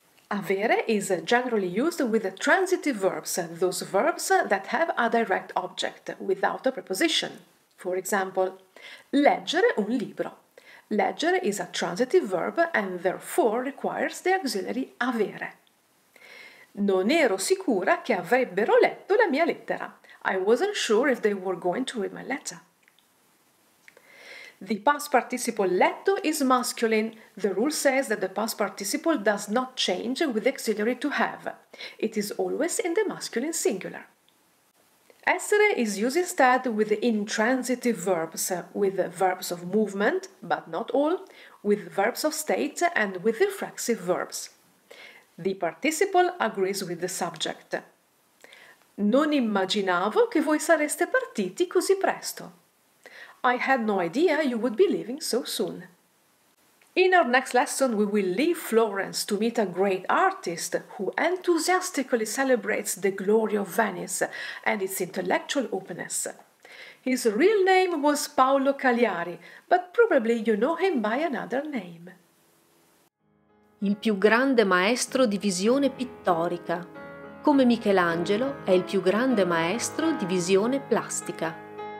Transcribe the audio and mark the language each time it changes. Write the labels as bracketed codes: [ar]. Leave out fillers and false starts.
[en] Avere is generally used with transitive verbs, those verbs that have a direct object, without a preposition. For example, [it] leggere un libro. [en] Leggere is a transitive verb and therefore requires the auxiliary avere. [it] Non ero sicura che avrebbero letto la mia lettera. [en] I wasn't sure if they were going to read my letter. The past participle letto is masculine. The rule says that the past participle does not change with auxiliary to have. It is always in the masculine singular. Essere is used instead with intransitive verbs, with verbs of movement, but not all, with verbs of state and with reflexive verbs. The participle agrees with the subject. [it] Non immaginavo che voi sareste partiti così presto. [en] I had no idea you would be leaving so soon. In our next lesson, we will leave Florence to meet a great artist who enthusiastically celebrates the glory of Venice and its intellectual openness. His real name was Paolo Cagliari, but probably you know him by another name. [it] Il più grande maestro di visione pittorica. Come Michelangelo, è il più grande maestro di visione plastica.